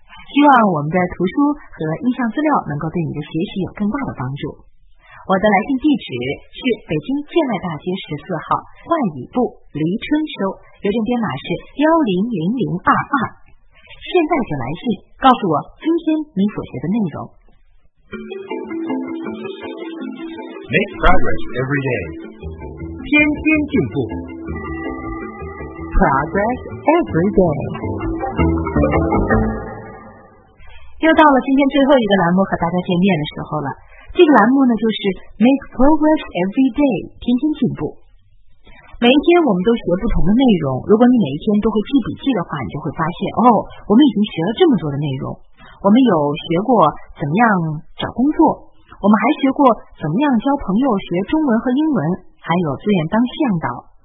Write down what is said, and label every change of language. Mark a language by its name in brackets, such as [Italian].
[Chinese] 希望我们的图书和音像资料能够对你的学习有更大的帮助。我的来信地址是北京建外大街14号万里部黎春收，邮政编码是100022。现在就来信告诉我今天你所学的内容。 [English] Make progress every day. [Chinese] 天天进步。 [English] Progress every day. [Chinese] 又到了今天最后一个栏目和大家见面的时候了。这个栏目呢就是 [English] Make progress every day. [Chinese] 天天进步。每一天我们都学不同的内容，如果你每一天都会记笔记的话，你就会发现哦，我们已经学了这么多的内容。我们有学过怎么样找工作，我们还学过怎么样交朋友，学中文和英文，还有自愿当向导。